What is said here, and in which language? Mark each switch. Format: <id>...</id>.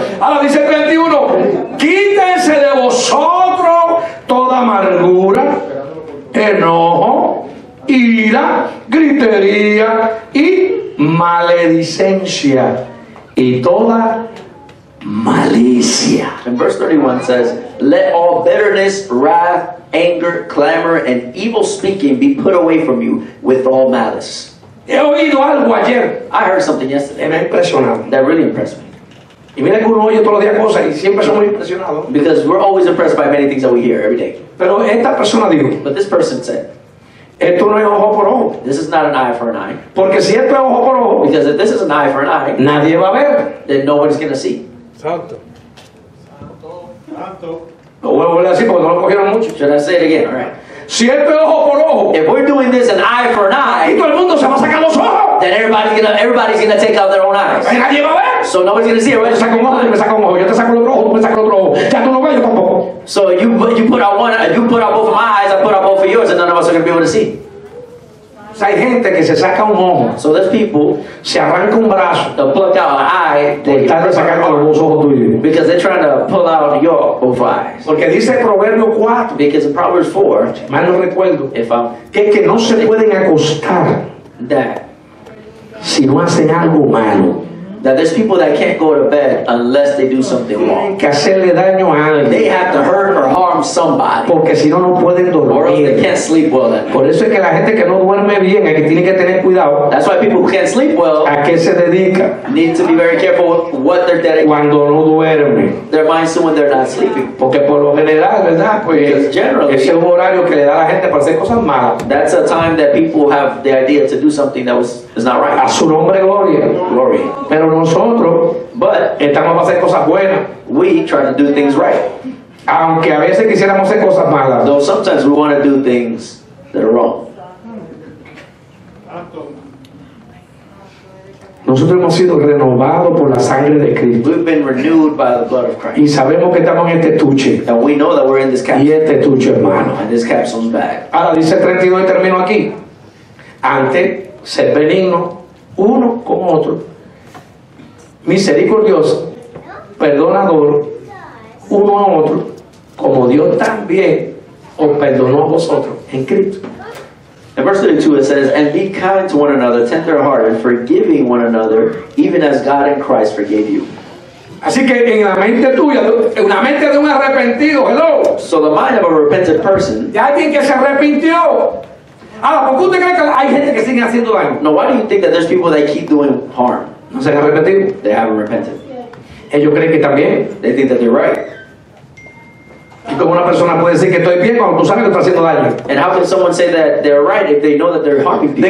<es>Ahora dice 31. Quítense de vosotros toda amargura, enojo, ira, gritería y maledicencia y toda malicia.</es> <en>And verse 31 says, let all bitterness, wrath, anger, clamor, and evil speaking be put away from you with all malice.</en> <es>He oído algo ayer.</es> <en>I heard something yesterday.</en> <es>Me impresionó.</es> <en>That really impressed me.</en> <es>Y mira que uno oye todos los días cosas y siempre somos impresionados.</es> <en>Because we're always impressed by many things that we hear every day.</en> <es>Pero esta persona dijo.</es> <en>But this person said.</en> <es>Esto no es ojo por ojo.</es> <en>This is not an eye for an eye.</en> <es>Porque si esto es ojo por ojo.</es> <en>Because if this is an eye for an eye.</en> <es>Nadie va a ver.</es> <en>Then nobody's gonna see.</en> <es>Santo. Lo voy a volver a decir porque no lo cogieron mucho.</es> <en>Should I say it again? All right.</en> <es>Si esto es ojo por ojo.</es> <en>If we're doing this an eye for an eye.</en> <es>Y todo el mundo se va a sacar los ojos.</es> <en>Then everybody's gonna take out their own eyes.</en> <es>Nadie va a ver.</es> <en>So nobody's gonna see it.</en> <es>Yo saco un ojo, yo me saco un ojo. Yo te saco el otro ojo, tú me sacas el otro ojo. Ya tú no ves, yo tampoco.</es> <en>So you put out both of my eyes, I put out both of yours, and none of us are gonna be able to see.</en> <es>So hay gente que se saca un ojo.</es> <en>So there's people.</en> <es>Se arranca un brazo.</es> <en>To pluck out an eye.</en> <es>Están sacando los ojos tuyos.</es> <en>Because they're trying to pull out your both eyes.</en> <es>Porque dice Proverbio 4.</es> <en>Because in Proverbs 4.</en> <es>Mal no recuerdo.</es> <en>If I'm.</en> <es>Que no se pueden acostar.</es> <en>That.</en> <es>Si no hacen algo malo.</es> <en>That there's people that can't go to bed unless they do something wrong.</en> <es>Que hacerle daño a alguien.</es> <en>They have to hurt or harm somebody.</en> <es>Porque si no, no pueden dormir.</es> <en>Or they can't sleep well at night.</en> <es>Por eso es que la gente que no duerme bien es que tiene que tener cuidado.</es> <en>That's why people who can't sleep well.</en> <es>¿A qué se dedica?</es> <en>Need to be very careful with what they're dedicating.</en> <es>Cuando no duerme.</es> <en>Their minds to when they're not sleeping.</en> <es>Porque por lo general, ¿verdad? Pues</es> <en>because generally.</en> <es>Ese es un horario que le da a la gente para hacer cosas malas.</es> <en>That's a time that people have the idea to do something that was is not right.</en> <es>A su nombre, gloria.</es> <en>Glory.</en> <es>Pero nosotros,</es> <en>but</en> <es>estamos para hacer cosas buenas.</es> <en>We try to do things right.</en> <es>Aunque a veces quisiéramos hacer cosas malas.</es> <en>Though sometimes we want to do things that are wrong.</en> <es>Nosotros hemos sido renovados por la sangre de Cristo.</es> <en>We've been renewed by the blood of Christ.</en> <es>Y sabemos que estamos en este estuche.</es> <en>And we know that we're in this capsule.</en> <es>Y este estuche, hermano.</es> <en>And this capsule's back.</en> <es>Ahora dice 32 y termino aquí. Antes, ser benigno uno con otro. Misericordioso, perdonador, uno a otro, como Dios también os perdonó a vosotros en Cristo.</es> <en>In verse 32 it says, and be kind to one another, tender hearted, forgiving one another, even as God in Christ forgave you.</en> <es>Así que en la mente tuya, en la mente de un arrepentido, hello.</es> <en>So the mind of a repentant person.</en> <es>De alguien que se arrepintió. Ahora, ¿por qué usted cree que hay gente que sigue haciendo daño?</es> <en>No, why do you think that there's people that keep doing harm?</en> <es>No se han arrepentido.</es> <en>They haven't repented.</en> <es>Ellos creen que están bien.</es> <en>They think that they're right.</en> <es>¿Y cómo una persona puede decir que estoy bien cuando tú sabes que estás haciendo daño?</es> <en>And how can someone say that they're right if they know that they're harming people?</en>